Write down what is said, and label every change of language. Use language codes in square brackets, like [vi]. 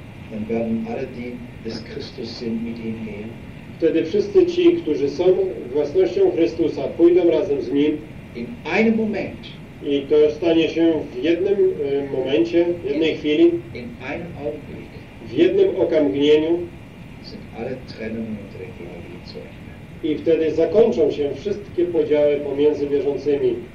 [de] Dann werden alle, die des Christus sind, mit ihm gehen. [pl] Wtedy wszyscy ci, którzy są własnością Chrystusa, pójdą razem z Nim. [de] In einem Moment. [pl] I to stanie się w jednym momencie, w jednej chwili. [de] In einem Augenblick. [pl] W jednym okamgnieniu. [de] Sind alle Trennungen der Glauben zu Ende. [pl] I wtedy zakończą się wszystkie podziały pomiędzy wierzącymi.